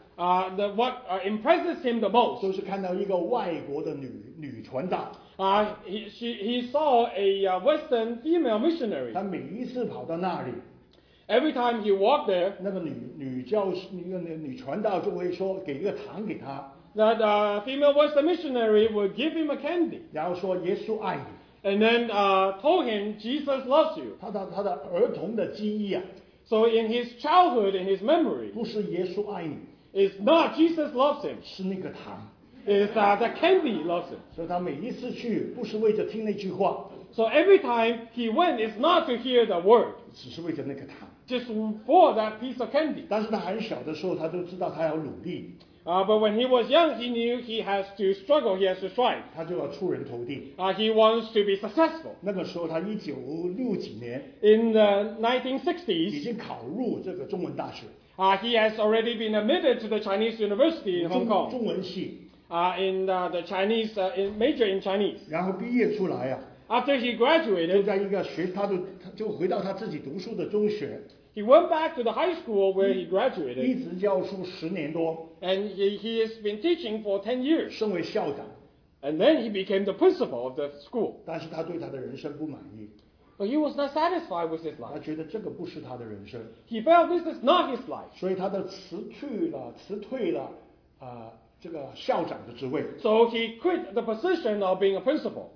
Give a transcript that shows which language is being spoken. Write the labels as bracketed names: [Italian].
[English] What impresses him the most, [Chinese] 就是看到一个外国的女传道 [English] He saw a Western female missionary. [Chinese] 他每一次跑到那里 [English] Every time he walked there, [Chinese] 那个女传道就会说给一个糖给他 [English] That female Western missionary would give him a candy. [Chinese] 然后说耶稣爱你 [English] And then told him, Jesus loves you. [Chinese] 他的儿童的记忆啊。 [English] So in his childhood, in his memory, [Chinese] 不是耶稣爱你。 [English] It's not Jesus loves him. [Chinese] 是那个糖。 [English] It's the candy loves him. [Chinese] 所以他每一次去不是为着听那句话。 [English] So every time he went, it's not to hear the word. [Chinese] 只是为着那个糖。 [English] Just for that piece of candy. [Chinese] 但是他很小的时候他都知道他要努力。 [English] But when he was young, he knew he has to struggle, he has to strive. [Chinese] 他就要出人头地。 [English] He wants to be successful. [Chinese] 那个时候他一九六几年。 [English] In the 1960s. [Chinese] 已经考入这个中文大学。 [English] He has already been admitted to the Chinese University in Hong Kong. [Chinese] 中文系。 [English] In the Chinese, major in Chinese. [Chinese] 然后毕业出来啊。 [English] After he graduated. [Chinese] 就在一个学，他就，就回到他自己读书的中学。 [English] He went back to the high school where he graduated. [Chinese] 一直教书十年多。 [English] And he has been teaching for 10 years. [Chinese] 升为校长。 [English] And then he became the principal of the school. [Chinese] 但是他对他的人生不满意。 [English] But he was not satisfied with his life. [Chinese] 他觉得这个不是他的人生。 [English] He felt this is not his life. [Chinese] 所以他的辞退了这个校长的职位。 [English] So he quit the position of being a principal.